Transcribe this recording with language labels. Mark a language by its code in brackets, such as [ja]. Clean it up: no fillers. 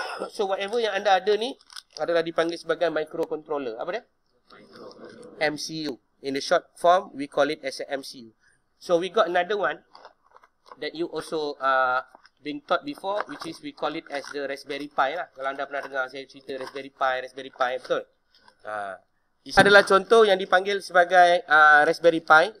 [en] So whatever [ms] yang anda ada ni adalah dipanggil sebagai microcontroller. Apa dia? MCU. [en] In the short form, we call it as a MCU. So we got another one that you also been taught before, which is we call it as the Raspberry Pi lah. [ms] Kalau anda pernah dengar saya cerita Raspberry Pi, betul? Ini adalah contoh yang dipanggil sebagai Raspberry Pi.